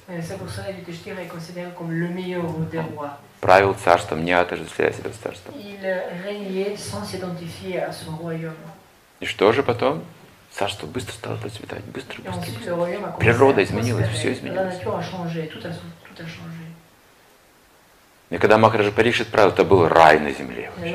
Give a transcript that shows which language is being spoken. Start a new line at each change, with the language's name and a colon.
French: C'est pour cela que Yudhishthira est considéré comme le meilleur des rois.
Russian: Правил царством, не отождествляя себя с царством.
French: Il régnait sans s'identifier à son royaume.
Russian: И что же потом? Царство быстро стало процветать, быстро. Природа изменилась, все изменилось.
French: La nature a changé, tout a changé.
Russian: И когда Махараджа Парикшит правил, это был рай на земле.